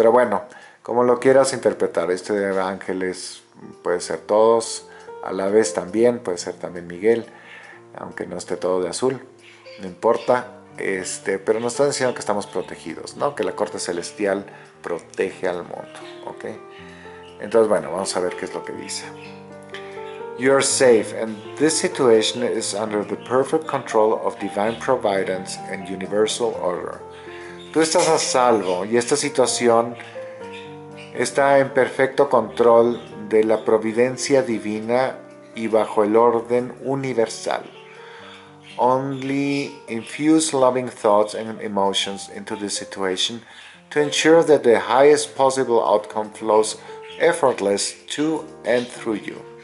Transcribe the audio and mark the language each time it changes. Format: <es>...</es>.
<es>Pero bueno, como lo quieras interpretar, este de ángeles puede ser todos, a la vez también, puede ser también Miguel, aunque no esté todo de azul, no importa. Pero nos están diciendo que estamos protegidos, ¿no? Que la corte celestial protege al mundo, ¿ok? Entonces, bueno, vamos a ver qué es lo que dice.</es> <en>You're safe, and this situation is under the perfect control of divine providence and universal order.</en> <es>Tú estás a salvo, y esta situación está en perfecto control de la providencia divina y bajo el orden universal.</es> <en>Only infuse loving thoughts and emotions into this situation to ensure that the highest possible outcome flows effortless to and through you.</en>